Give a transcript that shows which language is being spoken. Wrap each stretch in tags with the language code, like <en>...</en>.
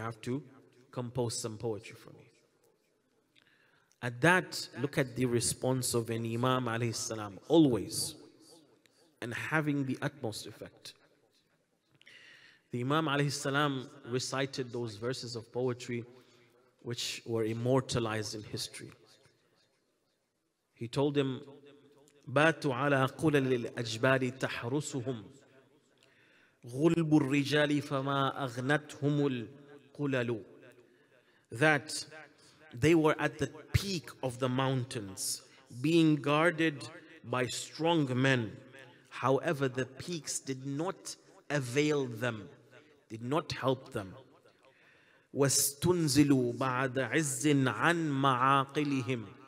<en>You have to compose some poetry for me. At that, look at the response of an Imam alayhi salam, always, and having the utmost effect. The Imam alayhi salam recited those verses of poetry which were immortalized in history. He told him,</en> <ar>باتوا على قلل الأجبال تحرسهم غلب الرجال فما أغنتهم القلل.</ar> <en>That they were at the peak of the mountains, being guarded by strong men. However, the peaks did not avail them, did not help them.</en> <ar>وَاسْتُنْزِلُوا بَعْدَ عِزٍ عَنْ مَعَاقِلِهِمْ.</ar>